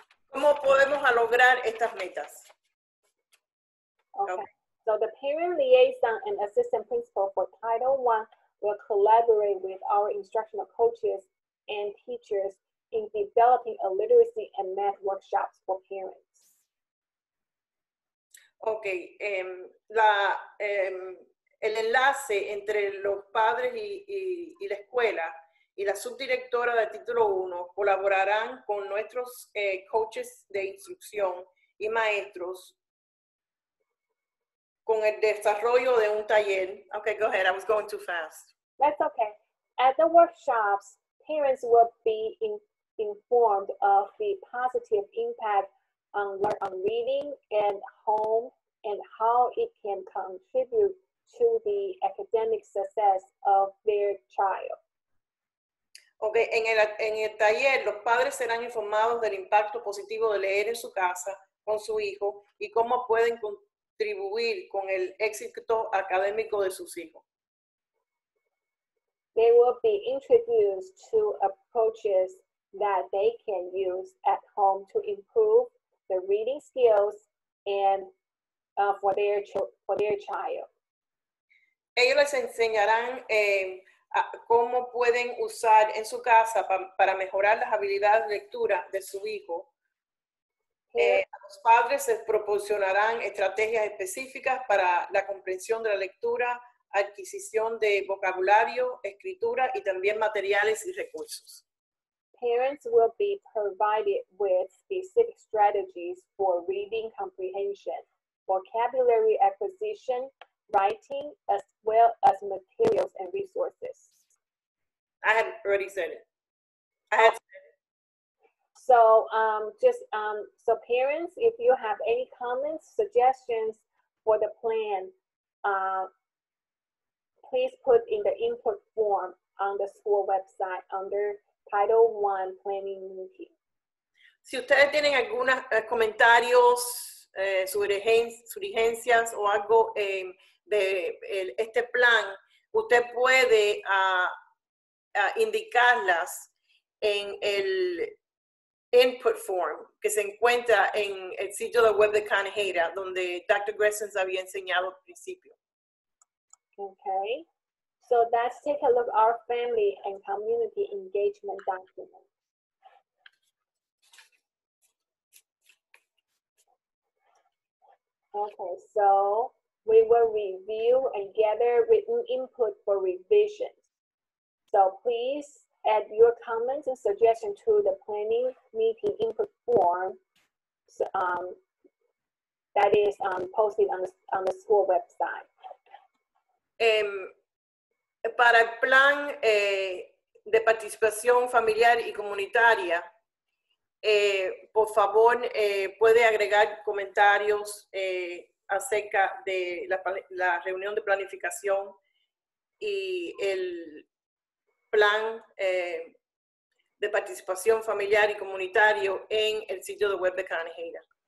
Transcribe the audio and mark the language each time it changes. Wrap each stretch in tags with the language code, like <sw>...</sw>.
<es>¿Cómo podemos lograr estas metas?</es> <en>Okay. So the parent liaison and assistant principal for Title I will collaborate with our instructional coaches and teachers in developing a literacy and math workshops for parents.</en> <es>Ok, el enlace entre los padres y la escuela y la subdirectora de Título 1 colaborarán con nuestros coaches de instrucción y maestros con el desarrollo de un taller.</es> <en>Ok, go ahead, I was going too fast. That's okay. At the workshops, parents will be informed of the positive impact on reading and home, and how it can contribute to the academic success of their child.</en> <es>Okay, en el taller, los padres serán informados del impacto positivo de leer en su casa con su hijo y cómo pueden contribuir con el éxito académico de sus hijos.</es> <en>They will be introduced to approaches that they can use at home to improve the reading skills and for their child.</en> <es>Ellos les enseñarán cómo pueden usar en su casa para mejorar las habilidades de lectura de su hijo. Los padres les proporcionarán estrategias específicas para la comprensión de la lectura, adquisición de vocabulario, escritura y también materiales y recursos.</es> <en>Parents will be provided with specific strategies for reading comprehension, vocabulary acquisition, writing, as well as materials and resources. I have already said it. So, so parents, if you have any comments, suggestions for the plan, please put in the input form on the school website under Title I Planning Meeting.</en> <es>Si ustedes tienen algunas comentarios, sugerencias o algo este plan, usted puede indicarlas en el</es> <en>input form</en> <es>que se encuentra en el sitio de web de Kanoheda, donde Dr. Gressens había enseñado al principio.</es> <en>Okay, so let's take a look at our family and community engagement document. Okay, so we will review and gather written input for revision. So please add your comments and suggestions to the planning meeting input form that is posted on the school website.</en> <es>Para el plan de participación familiar y comunitaria, por favor, puede agregar comentarios acerca de la reunión de planificación y el plan de participación familiar y comunitario en el sitio de web de Kanoheda.</es>